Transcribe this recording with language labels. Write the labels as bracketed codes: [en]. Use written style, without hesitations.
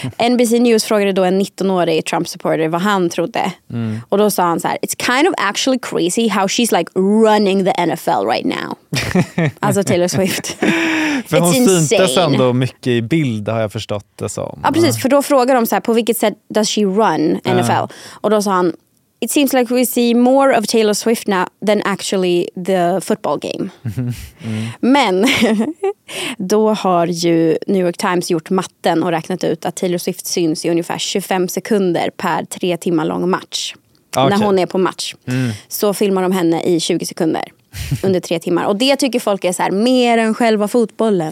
[sv] NBC News frågade då en 19-årig Trump-supporter vad han trodde. Mm. Och då sa han så här: [en] "It's kind of actually crazy how she's like running the NFL right now." [sv] Alltså [en] Taylor Swift. [sv] För hon syntes ändå mycket i bild, har jag förstått det som. Ja, precis. För då frågade de så här: "På vilket sätt [en] does she run NFL?" [sv] Och då sa han: [en] "It seems like we see more of Taylor Swift now than actually the football game." [sv] Men då har ju New York Times gjort matten och räknat ut att Taylor Swift syns i ungefär 25 sekunder per 3 timmar lång match. [en] Okay. [sv] När hon är på match så filmar de henne i 20 sekunder under 3 timmar. Och det tycker folk är så här, mer än själva fotbollen.